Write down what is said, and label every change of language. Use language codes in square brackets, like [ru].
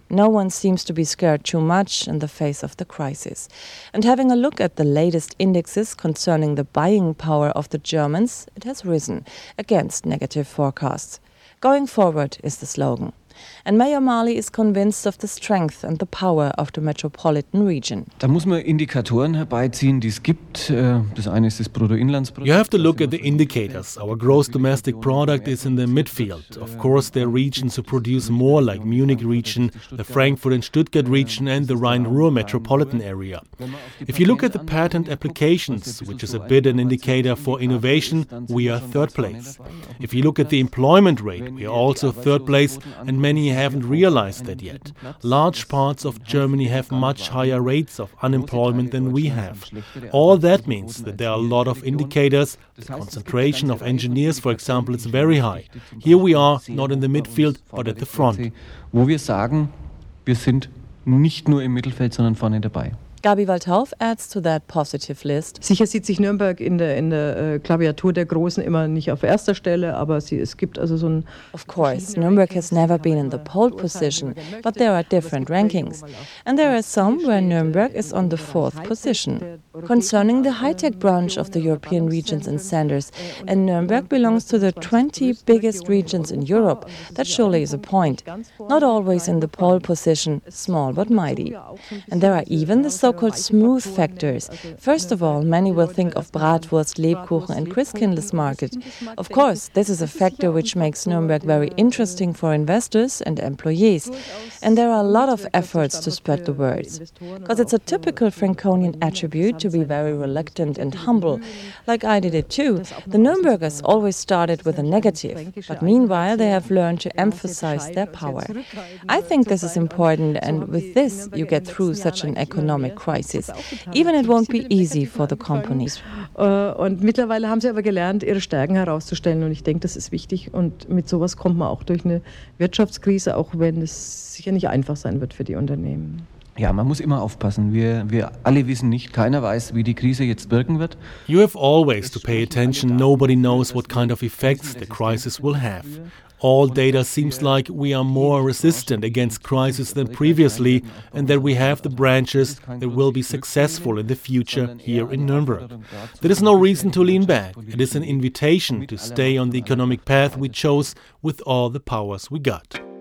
[en] No one seems to be scared too much in the face of the crisis. And having a look at the latest indexes concerning the buying power of the Germans, it has risen against negative forecasts. Going forward is the slogan. And Mayor Marley is convinced of the strength and the power of the metropolitan region. [de] Da muss man Indikatoren herbeiziehen, die es gibt. Das eine ist das Bruttoinlandsprodukt. [en] You have to look at the indicators. Our gross domestic product is in the midfield. Of course, there are regions who produce more, like Munich region, the Frankfurt and Stuttgart region and the Rhine-Ruhr metropolitan area. If you look at the patent applications, which is a bit an indicator for innovation, we are third place. If you look at the employment rate, we are also third place, and many haven't realized that yet. Large parts of Germany have much higher rates of unemployment than we have. All that means that there are a lot of indicators. The concentration of engineers, for example, is very high. Here we are, not in the midfield, but at the front. [de] Wo wir sagen, wir sind nicht nur im Mittelfeld, sondern vorne dabei. [en] Gabi Waldhauf adds to that positive list. [de] Sicher sieht sich Nürnberg in der Klaviatur der Großen immer nicht auf erster Stelle, aber es gibt also so ein... [en] Of course, Nürnberg has never been in the pole position, but there are different rankings. And there are some where Nürnberg is on the fourth position. Concerning the high-tech branch of the European regions and centers, and Nürnberg belongs to the 20 biggest regions in Europe, that surely is a point. Not always in the pole position, small but mighty. And there are even the so-called smooth factors. First of all, many will think of Bratwurst, Lebkuchen and Christkindles market. Of course, this is a factor which makes Nürnberg very interesting for investors and employees. And there are a lot of efforts to spread the word. Because it's a typical Franconian attribute to be very reluctant and humble. Like I did it too, the Nürnbergers always started with a negative, but meanwhile they have learned to emphasize their power. I think this is important, and with this you get through such an economic crisis. Even it won't be easy for the companies. [de] Und mittlerweile haben sie aber gelernt, ihre Stärken herauszustellen, und ich denke, das ist wichtig. Und mit sowas kommt man auch durch eine Wirtschaftskrise, auch wenn es sicher nicht einfach sein wird für die Unternehmen. Ja, man muss immer aufpassen. Wir alle wissen nicht, keiner weiß, wie die Krise jetzt wirken wird. [en] You have always to pay attention. Nobody knows what kind of effects the crisis will have. All data seems like we are more resistant against crisis than previously, and that we have the branches that will be successful in the future here in Nürnberg. There is no reason to lean back. It is an invitation to stay on the economic path we chose with all the powers we got.